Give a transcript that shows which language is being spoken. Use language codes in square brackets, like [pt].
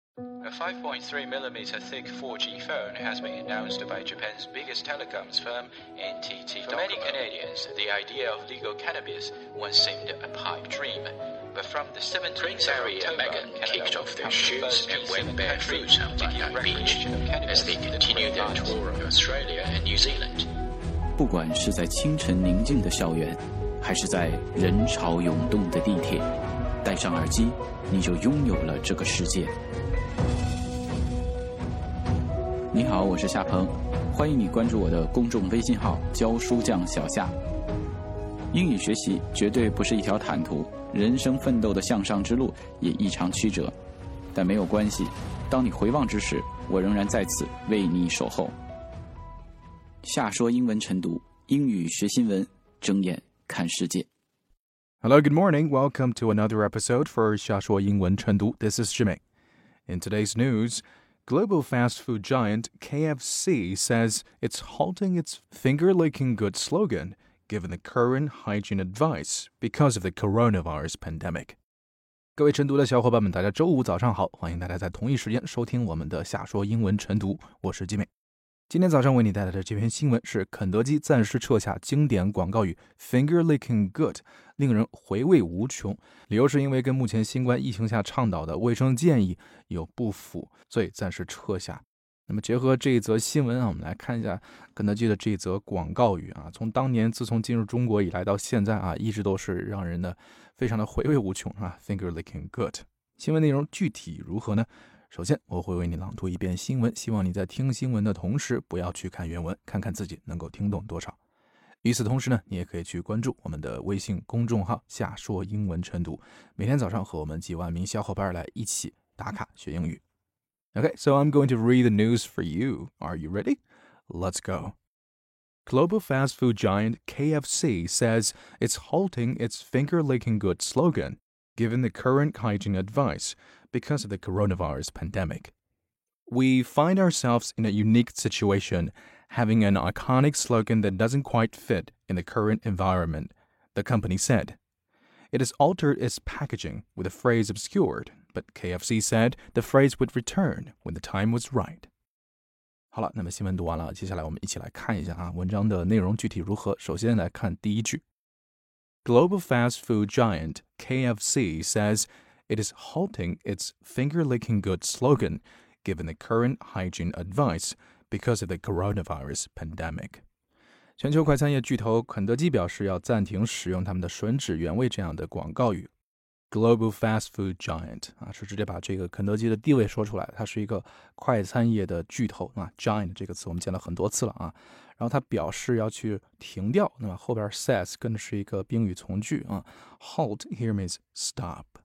[en] A 5.3mm thick 4G phone has been announced by Japan's biggest telecoms firm, NTT Docomo. For many Canadians, the idea of legal cannabis once seemed a pipe dream. But from the 17th of October, Megan kicked off their shoes and went barefoot on Bondi Beach as they continued their tour of Australia and New Zealand. [zh] 不管是在清晨宁静的校园，还是在人潮涌动的地铁，戴上耳机，你就拥有了这个世界。你好，我是夏鹏，欢迎你关注我的公众微信号“教书匠小夏”。英语学习绝对不是一条坦途，人生奋斗的向上之路也异常曲折，但没有关系，当你回望之时，我仍然在此为你守候。夏说英文晨读，英语学新闻，睁眼看世界。 [en] Hello, good morning. Welcome to another episode for 夏说英文晨读。 This is Jimmy. In today's news, global fast food giant KFC says it's halting its finger-licking good slogan, given the current hygiene advice because of the coronavirus pandemic. [zh] 各位晨读的小伙伴们，大家周五早上好，欢迎大家在同一时间收听我们的夏说英文晨读，我是 Jimmy。今天早上为你带来的这篇新闻是肯德基暂时撤下经典广告语 Finger Licking Good， 令人回味无穷。理由是因为跟目前新冠疫情下倡导的卫生建议有不符，所以暂时撤下。那么结合这一则新闻啊，我们来看一下肯德基的这一则广告语啊。从当年自从进入中国以来到现在啊，一直都是让人的非常的回味无穷啊。 Finger Licking Good， 新闻内容具体如何呢？首先我会为你朗读一遍新闻，希望你在听新闻的同时不要去看原文，看看自己能够听懂多少。与此同时呢，你也可以去关注我们的微信公众号夏说英文晨读，每天早上和我们几万名小伙伴来一起打卡学英语。 [en] OK, so I'm going to read the news for you. Are you ready? Let's go. Global fast food giant KFC says it's halting its finger-licking good slogan, given the current hygiene adviceBecause of the coronavirus pandemic. We find ourselves in a unique situation, having an iconic slogan that doesn't quite fit in the current environment, the company said. It has altered its packaging with a phrase obscured, but KFC said the phrase would return when the time was right. [zh] 好了，那么新闻读完了，接下来我们一起来看一下啊，文章的内容具体如何。首先来看第一句。 [en] Global fast food giant KFC says,It is halting its finger-licking good slogan, given the current hygiene advice because of the coronavirus pandemic. [zh] 全球快餐业巨头肯德基表示要暂停使用他们的吮指原味这样的广告语。 [en] Global fast food giant, [zh] 啊，是直接把这个肯德基的地位说出来，它是一个快餐业的巨头，啊，giant 这个词我们见了很多次了，啊，然后它表示要去停掉，那么后边 says 跟的是一个宾语从句，啊， [en] halt here means stop.